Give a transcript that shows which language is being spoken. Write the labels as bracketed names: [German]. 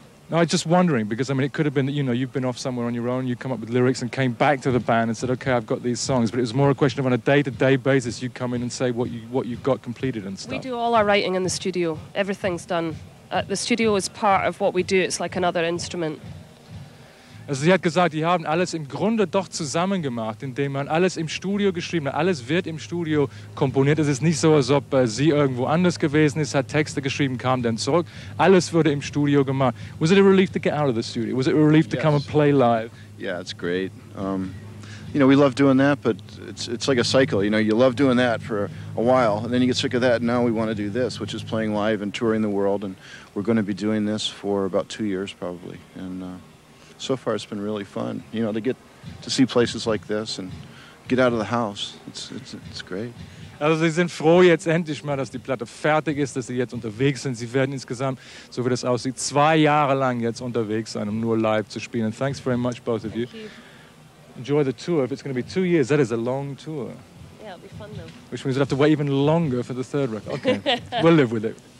[English] Now, I was just wondering, because, I mean, it could have been that, you know, you've been off somewhere on your own, you come up with lyrics and came back to the band and said, okay, I've got these songs. But it was more a question of, on a day-to-day basis, you come in and say what you've got completed and stuff. We do all our writing in the studio. Everything's done. The studio is part of what we do. It's like another instrument. [German] Also sie hat gesagt, die haben alles im Grunde doch zusammen gemacht, indem man alles im Studio geschrieben hat. Alles wird im Studio komponiert. Es ist nicht so, als ob sie irgendwo anders gewesen ist, hat Texte geschrieben, kam dann zurück. Alles wurde im Studio gemacht. [English] Was it a relief to get out of the studio? Was it a relief to come and play live? Yeah, it's great. you know, we love doing that, but it's like a cycle. You know, you love doing that for a while, and then you get sick of that, and now we want to do this, which is playing live and touring the world, and we're going to be doing this for about 2 years, probably. And so far, it's been really fun, you know, to get to see places like this and get out of the house. It's great. [German] Also Sie sind froh jetzt endlich mal, dass die Platte fertig ist, dass Sie jetzt unterwegs sind. Sie werden insgesamt, so wie das aussieht, 2 Jahre lang jetzt unterwegs sein, um nur live zu spielen. [English] And thanks very much, both of you. Thank you. Enjoy the tour. If it's going to be 2 years, that is a long tour. Yeah, it'll be fun though. Which means we'll have to wait even longer for the third record. Okay, we'll live with it.